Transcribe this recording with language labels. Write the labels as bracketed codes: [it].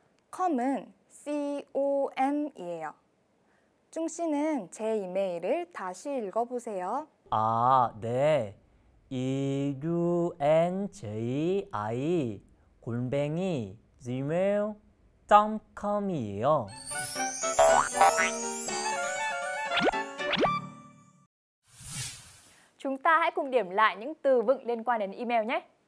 [ko] com은 com이에요. 중 씨는 제 이메일을 다시 읽어보세요. 아, 네. unji@gmail.com이에요. [vi] Chúng ta hãy cùng điểm lại những từ vựng liên quan đến email nhé.